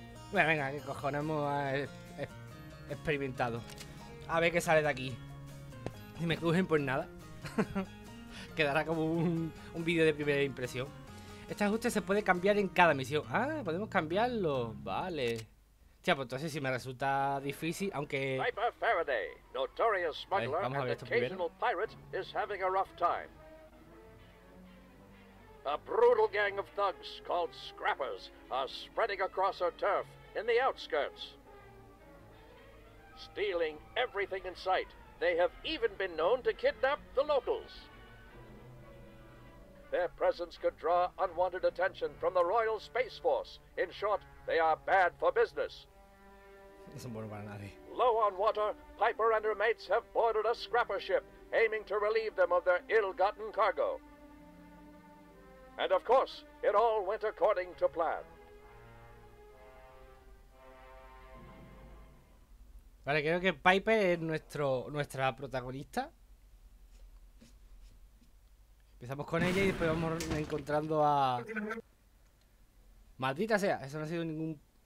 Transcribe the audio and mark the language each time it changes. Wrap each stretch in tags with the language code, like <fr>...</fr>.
<es>Bueno, venga, que cojones, hemos experimentado. A ver qué sale de aquí. Si me crujen, pues nada. Quedará como un vídeo de primera impresión. Este ajuste se puede cambiar en cada misión. Ah, podemos cambiarlo. Vale. Tía, pues entonces si me resulta difícil, aunque... Piper Faraday,</es> <en>notorious smuggler,</en> <es>vamos a ver esto primero.</es> <en>Occasional pirate is having a rough time. A brutal gang of thugs called scrappers are spreading across her turf in the outskirts. Stealing everything in sight. They have even been known to kidnap the locals. Their presence could draw unwanted attention from the Royal Space Force. In short, they are bad for business. Low on water, Piper and her mates have boarded a scrapper ship, aiming to relieve them of their ill-gotten cargo. And of course, it all went according to plan.</en> <es>Vale, creo que Piper es nuestra protagonista. Empezamos con ella y después vamos encontrando a... Maldita sea, eso no ha sido ningún...</es>